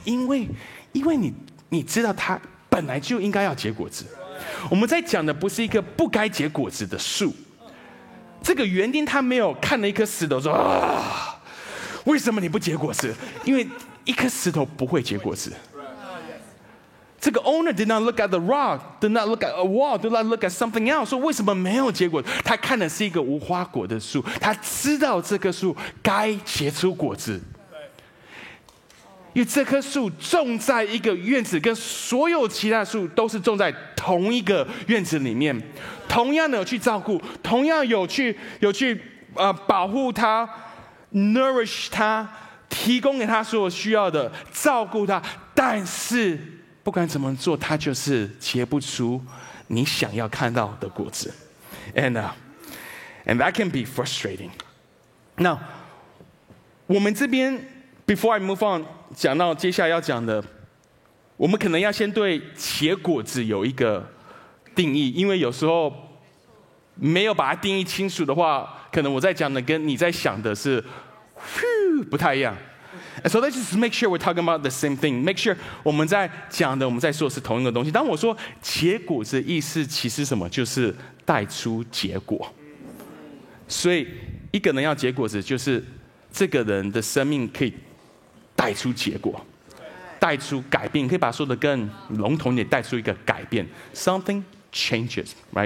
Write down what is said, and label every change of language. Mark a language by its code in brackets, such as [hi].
[zh] 因为你知道它本来就应该要结果子。我们在讲的不是一个不该结果子的树。这个园丁他没有看了一颗石头说啊，为什么你不结果子？因为一颗石头不会结果子。这个 [en] owner did not look at the rock, did not look at a wall, did not look at something else, [zh] 说为什么没有结果？他看的是一个无花果的树，他知道这棵树该结出果子。因为这棵树种在一个院子，跟所有其他树都是种在同一个院子里面，同样的有去照顾，同样有去保护它 ，nourish 它，提供给它所有需要的，照顾它。但是不管怎么做，它就是结不出你想要看到的果子。 [en] And that can be frustrating. Now, [zh] 我们这边 [en] before I move on. [zh] 讲到接下来要讲的，我们可能要先对结果子有一个定义，因为有时候没有把它定义清楚的话，可能我在讲的跟你在想的是不太一样。 [en] And so let's just make sure we're talking about the same thing. Make sure [zh] 我们在讲的我们在说的是同一个东西。当我说结果子的意思其实什么，就是带出结果。所以一个人要结果子，就是这个人的生命可以带出结果，带出改变，可以把说的更笼统一点，带出一个改变 ， [en] something changes， right？